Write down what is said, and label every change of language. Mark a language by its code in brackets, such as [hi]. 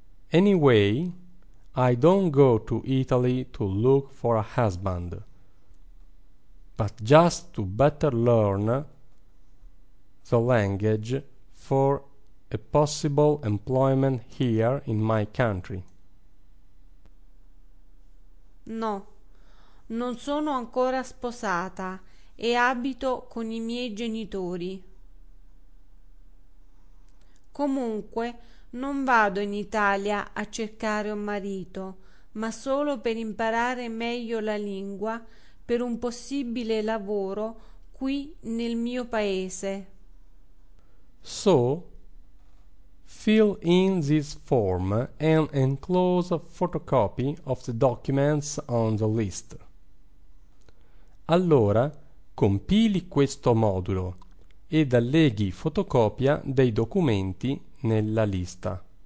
[en] Anyway, I don't go to Italy to look for a husband, but just to better learn the language for a possible employment here in my country. [it] No, non sono ancora sposata e abito con i miei genitori. Comunque, non vado in Italia a cercare un marito, ma solo per imparare meglio la lingua per un possibile lavoro qui nel mio paese. [en] So, fill in this form and enclose a photocopy of the documents on the list. [it] Allora, compili questo modulo ed alleghi fotocopia dei documenti nella lista.